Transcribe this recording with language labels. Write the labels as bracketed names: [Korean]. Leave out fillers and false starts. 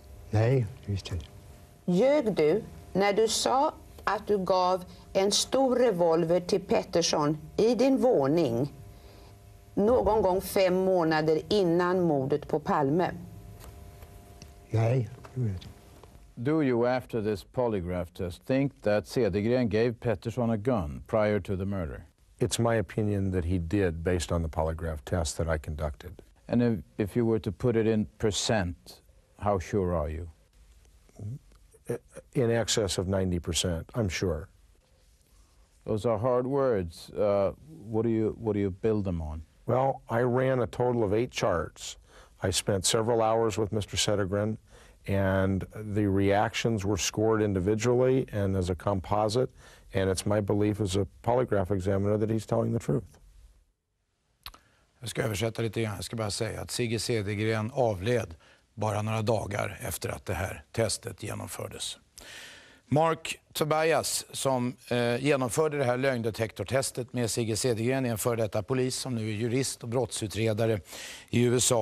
[Swedish] Nej, visste inte. Ljög du när du sa att du gav en stor revolver till Pettersson i din våning någon gång 5 månader innan mordet på Palme? Nej, jag vet inte. [English] Do you after this polygraph test think that Cedergren gave Pettersson a gun prior to the murder? It's my opinion that he did based on the polygraph test that I conducted. And if you were to put it in percent, how sure are you? In excess of 90%, I'm sure. Those are hard words. What do you build them on? Well, I ran a total of 8 charts. I spent several hours with Mr. Cedergren, and the reactions were scored individually and as a composite, And it's my belief as a polygraph examiner that he's telling the truth. [Swedish] Jag ska översätta lite grann. Jag ska bara säga att Sigge Cedergren avled bara några dagar efter att det här testet genomfördes. Mark Tobias, som genomförde det här lögndetektortestet med Sigge Cedergren, är en före detta polis som nu är jurist och brottsutredare i USA.